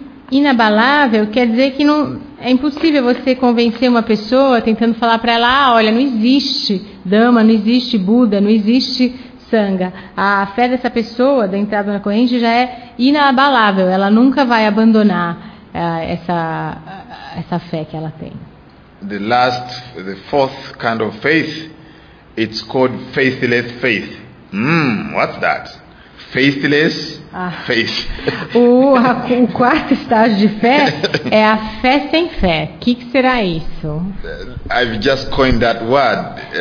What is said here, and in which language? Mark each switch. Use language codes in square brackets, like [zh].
[pt] Inabalável quer dizer que não é impossível você convencer uma pessoa tentando falar para ela, olha, não existe Dhamma, não existe Buda, não existe Sangha. A fé dessa pessoa, da entrada na corrente, já é inabalável. Ela nunca vai abandonar essa fé que ela tem. [en] The fourth kind of faith, it's called faithless faith. What's that? Faithless faith. [pt] O quarto estágio de fé é a fé sem fé. O que será isso? [en] I've just coined that word.